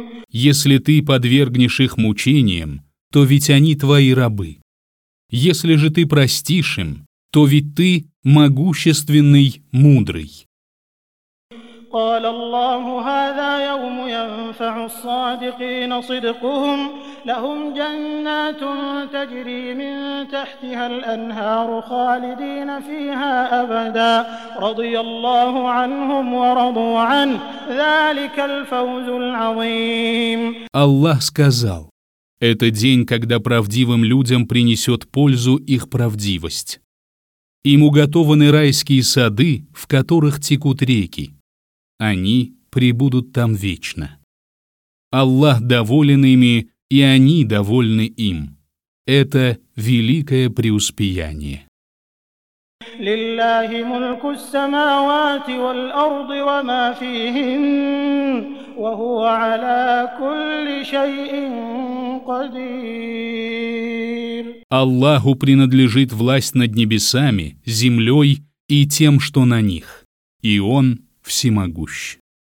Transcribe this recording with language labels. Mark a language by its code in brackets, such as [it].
[ru] Если ты подвергнешь их мучениям, то ведь они твои рабы. Если же ты простишь им, то ведь ты могущественный, мудрый. [ar] قال الله هذا يوم ينفع الصادقين صدقهم لهم جنات تجري من تحتها الأنهار خالدين فيها أبدا رضي الله عنهم ورضوا عنه ذلك الفوز العظيم. [ru] Аллах сказал: это день, когда правдивым людям принесет пользу их правдивость. Им уготованы райские сады, в которых текут реки. Они пребудут там вечно. Аллах доволен ими, и они довольны им. Это великое преуспеяние. [ar] لله ملك السماوات والأرض وما فيهن وهو على كل شيء قدير. [ru] Аллаху принадлежит власть над небесами, землей и тем, что на них. И Он всемогущ.